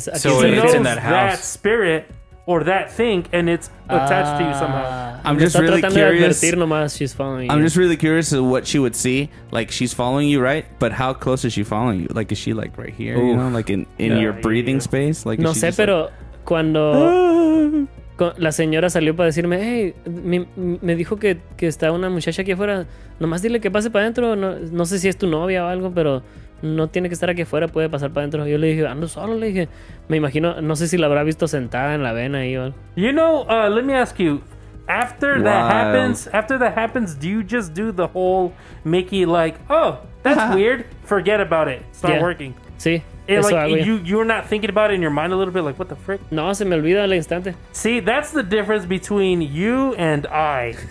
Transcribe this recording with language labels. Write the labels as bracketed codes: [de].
[en] So it's in that house. That spirit or that thing, and it's attached to you somehow. I'm just really curious. [es] De advertir nomás, [en] she's following you. I'm just really curious of what she would see. Like, she's following you, right? But how close is she following you? Like, is she like right here? Ooh. You know, like in your breathing space? Like, [es] no sé, pero... Like, cuando la señora salió para decirme, hey, me dijo que está una muchacha aquí afuera, nomás dile que pase para adentro, no sé si es tu novia o algo, pero no tiene que estar aquí afuera, puede pasar para adentro. Yo le dije, ando solo, le dije, me imagino, no sé si la habrá visto sentada en la vena ahí o algo. [en] You know, let me ask you, after that happens, do you just do the whole Mickey like, oh, that's weird, forget about it, it's not working. [es] Sí. [en] You're not thinking about it in your mind a little bit, like, what the frick? [es] No, se me olvida al instante. [en] See, that's the difference between you and I.